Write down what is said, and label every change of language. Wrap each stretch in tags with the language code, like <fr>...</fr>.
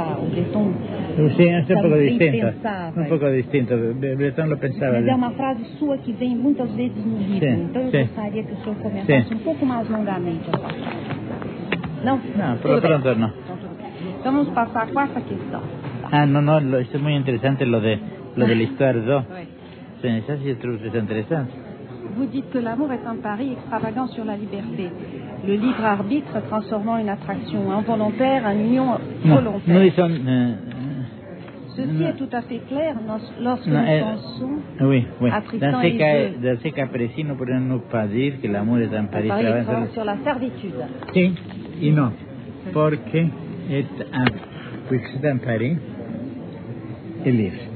<pt>O Breton... Sim, é um pouco distinto. Pensava. Um pouco distinto. Breton não pensava. Mas é uma frase sua que vem muitas vezes no livro. Sim. Então eu gostaria que o senhor comentasse um pouco mais longamente essa frase. Não? Não. Então vamos passar a quarta questão.</pt> <es>Esto es muy interesante lo de Listardo.</es> <fr>Oui. Ça, je trouve que c'est intéressant. Vous dites que l'amour est un pari extravagant sur la liberté. Le libre arbitre transformant une attraction involontaire en union volontaire. Nous disons, Ceci est tout à fait clair lorsque nous pensons à Tristan et Isolde. Dans ce cas précis, nous ne pouvons pas dire que l'amour est un pari extravagant sur la servitude. Si, et non.</fr> <es>Porque</es> <fr>est un...</fr> <es>Pues está en París, es libre.</es>